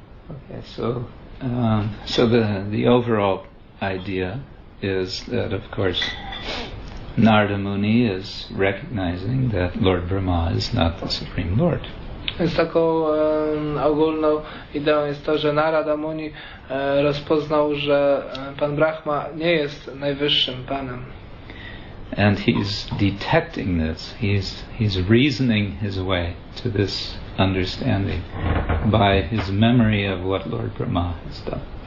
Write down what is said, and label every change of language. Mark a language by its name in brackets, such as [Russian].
[English] Okay, so the overall idea is that, of course, Narada Muni is recognizing that Lord Brahma is not the Supreme Lord. [Polish] Więc taką ogólną ideą jest to, że Narada Muni rozpoznał, że Pan Brahma nie jest najwyższym Panem. [English] And he's detecting this. He's reasoning his way to this understanding by his memory of what Lord Brahma has done.